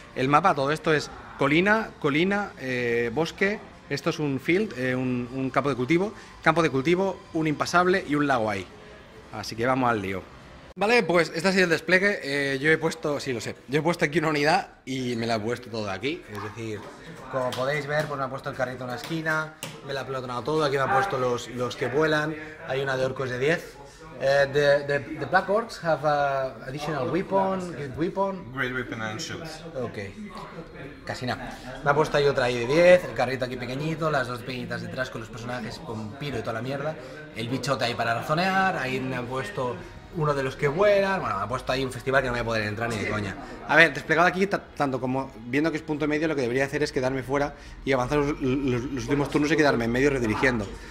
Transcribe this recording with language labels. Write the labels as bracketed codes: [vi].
[es] El mapa, todo esto es colina, bosque, esto es un field, un campo de cultivo, un impasable y un lago ahí. Así que vamos al lío. Vale, pues este ha sido el despliegue. Yo he puesto, sí lo sé, yo he puesto aquí una unidad y me la he puesto todo aquí. Es decir, como podéis ver, pues me ha puesto el carrito en la esquina, me la ha pelotonado todo, aquí me ha puesto los que vuelan. Hay una de orcos de 10. [en] The black orcs have an additional weapon, good weapon. Great weapon and shields. [es] Ok, casi nada. Me ha puesto ahí otra ahí de 10, el carrito aquí pequeñito, las dos pequeñitas detrás con los personajes con piro y toda la mierda. El bichote ahí para razonear, ahí me ha puesto uno de los que vuelan, bueno, me ha puesto ahí un festival que no voy a poder entrar ni de coña. A ver, desplegado aquí, tanto como viendo que es punto medio, lo que debería hacer es quedarme fuera y avanzar los últimos turnos y quedarme en medio redirigiendo.